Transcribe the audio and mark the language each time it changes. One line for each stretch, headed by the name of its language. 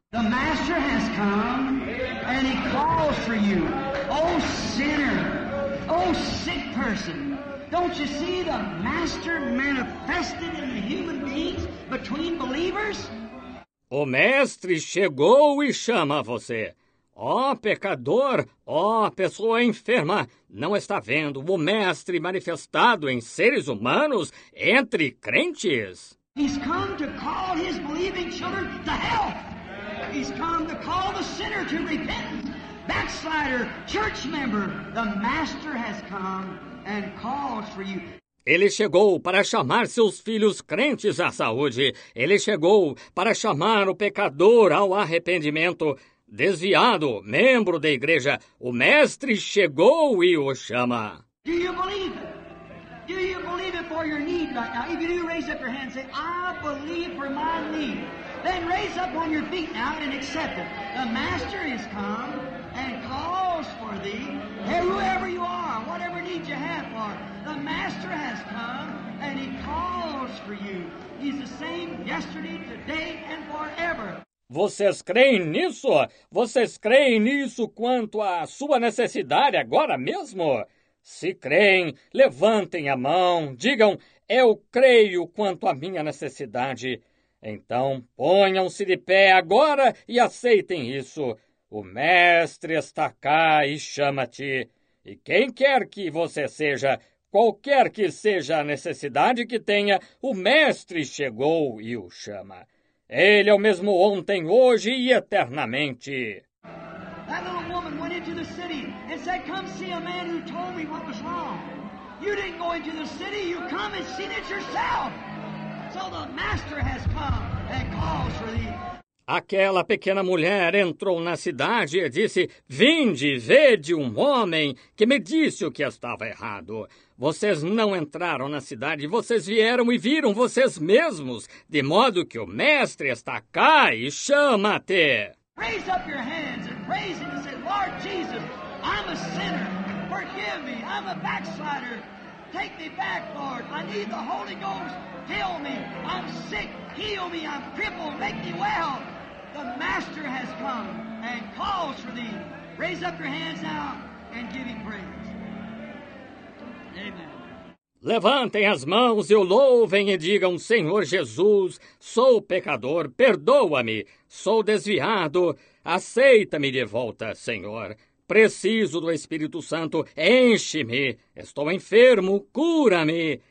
English: The master has come and he calls for you. Oh, sinner. Oh, sick person. Don't you see the master manifested in the human beings between believers?
Portuguese: O mestre chegou e chama você. Ó, pecador, ó, pessoa enferma, não está vendo o mestre manifestado em seres humanos entre crentes?
English: He's come to call his believing children to health. He's come to call the sinner to repentance. Backslider, church member, the master has come. And calls for you.
Portuguese: Ele chegou para chamar seus filhos crentes à saúde. Ele chegou para chamar o pecador ao arrependimento. Desviado, membro da igreja, o mestre chegou e o chama.
English: Do you believe it? Do you believe it for your need right now? If you do, raise up your hand and say, I believe for my need. Then raise up on your feet now and accept it. The master is come. And calls for thee, and whoever you are, whatever need you have for, the master has come, and he calls for you. He's the same yesterday, today, and forever.
Portuguese: Vocês creem nisso? Vocês creem nisso quanto à sua necessidade agora mesmo? Se creem, levantem a mão, digam, eu creio quanto à minha necessidade. Então, ponham-se de pé agora e aceitem isso. O mestre está cá e chama-te. E quem quer que você seja, qualquer que seja a necessidade que tenha, o mestre chegou e o chama. Ele é o mesmo ontem, hoje e eternamente.
English: That little woman went into the city and said, come see a man who told me what was wrong. You didn't go into the city, you come and seen it yourself. So the master has come and calls for thee.
Portuguese: Aquela pequena mulher entrou na cidade e disse, vinde, vede um homem que me disse o que estava errado. Vocês não entraram na cidade, vocês vieram e viram vocês mesmos, de modo que o mestre está cá e chama-te.
English: Raise up your hands and praise him and say, Lord Jesus, I'm a sinner, forgive me, I'm a backslider. Take me back, Lord. I need the Holy Ghost. Heal me. I'm sick. Heal me. I'm crippled. Make me well. The Master has come and calls for thee. Raise up your hands now and give him praise. Amen.
Portuguese: Levantem as mãos e o louvem e digam, Senhor Jesus, sou pecador. Perdoa-me. Sou desviado. Aceita-me de volta, Senhor. Preciso do Espírito Santo, enche-me. Estou enfermo, cura-me.